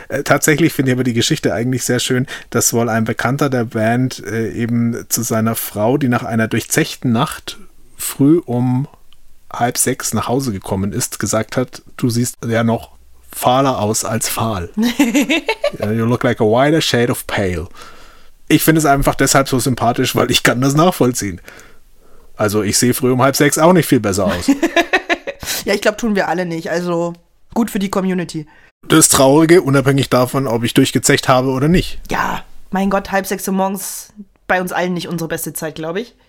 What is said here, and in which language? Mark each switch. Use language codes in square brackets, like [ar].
[de] Tatsächlich finde ich aber die Geschichte eigentlich sehr schön, dass wohl ein Bekannter der Band eben zu seiner Frau, die nach einer durchzechten Nacht früh um 5:30 nach Hause gekommen ist, gesagt hat, du siehst ja noch fahler aus als fahl. [en] You look like a whiter shade of pale. [de] Ich finde es einfach deshalb so sympathisch, weil ich kann das nachvollziehen. Also ich sehe früh um 5:30 auch nicht viel besser aus. Ja, ich glaube, tun wir alle nicht. Also gut für die Community. Das Traurige, unabhängig davon, ob ich durchgezecht habe oder nicht. Ja, mein Gott, 5:30 Uhr morgens, bei uns allen nicht unsere beste Zeit, glaube ich.